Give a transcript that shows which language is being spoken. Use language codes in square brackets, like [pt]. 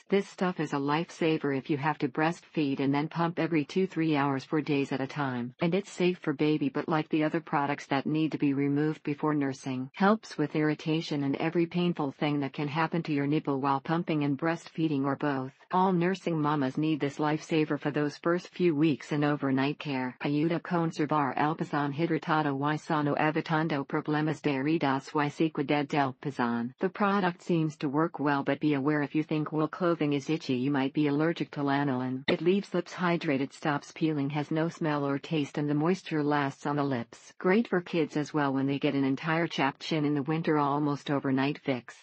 [en] This stuff is a lifesaver if you have to breastfeed and then pump every 2-3 hours for days at a time. And it's safe for baby, but like the other products that need to be removed before nursing, helps with irritation and every painful thing that can happen to your nipple while pumping and breastfeeding or both. All nursing mamas need this lifesaver for those first few weeks and overnight care. [es] Ayuda con servar el pezón hidratado y sano evitando problemas de heridas y sequedad del pezón. [en] The product seems to work well, but be aware if you think while clothing is itchy you might be allergic to lanolin. It leaves lips hydrated, stops peeling, has no smell or taste, and the moisture lasts on the lips. Great for kids as well when they get an entire chapped chin in the winter, almost overnight fix.